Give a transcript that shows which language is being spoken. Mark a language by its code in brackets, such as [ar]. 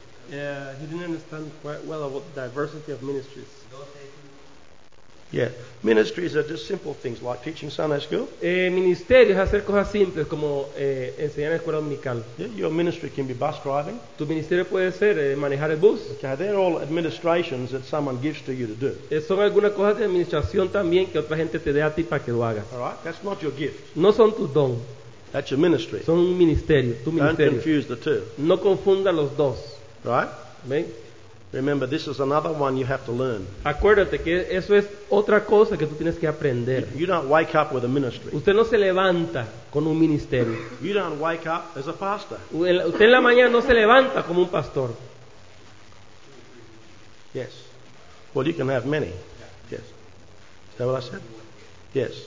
[en] He didn't understand quite well about diversity of ministries. Yeah, ministries are just simple things like teaching Sunday school. [es] Ministerios hacer cosas simples como enseñar en escuela dominical. [en] Yeah, your ministry can be bus driving. [es] Tu ministerio puede ser manejar el bus. [en] Okay, they're all administrations that someone gives to you to do. [es] Son algunas cosas de administración también que otra gente te dé a ti para que lo hagas. [en] All right, that's not your gift. [es] No son tus don. [en] That's your ministry. [es] Son un ministerio, tu ministerio. [en] Don't confuse the two. [es] No confunda los dos. [en] Right? Amen. Remember, this is another one you have to learn. [es] Acuérdate que eso es otra cosa que tú tienes que aprender. [en] You don't wake up with a ministry. [es] Usted no se levanta con un ministerio. [en] You don't wake up as a pastor. [es] Usted en la mañana no se levanta como un pastor. [en] Yes. Well, you can have many. Yes. Is that what I said? Yes.